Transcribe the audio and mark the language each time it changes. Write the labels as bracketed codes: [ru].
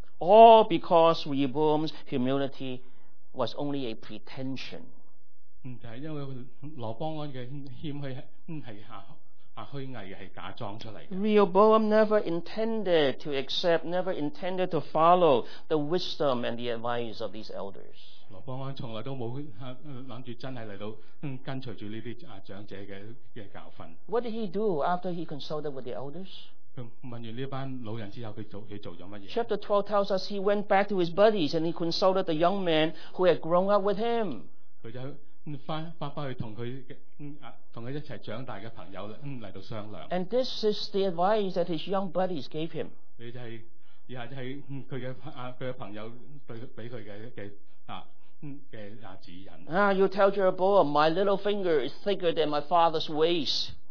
[en] All because Rehoboam's humility was only a pretension. [zh] 就是因為羅波安的謙虛是虛偽的，是假裝出來的。 [en] Rehoboam never intended to accept, never intended to follow the wisdom and the advice of these elders. [zh] 羅波安從來都沒有想著真的來到跟隨著這些長者的教訓。 [en] What did he do after he consulted with the elders? [zh] 問完這班老人之後他做了什麼？ [en] Chapter 12 tells us he went back to his buddies and he consulted the young man who had grown up with him. [zh] 他就回去跟他一起長大的朋友來到商量。 [en] And this is the advice that his young buddies gave him. [zh] 以下就是他的朋友給他的指引。 [en] You tell Jeroboam, my little finger is thicker than my father's waist.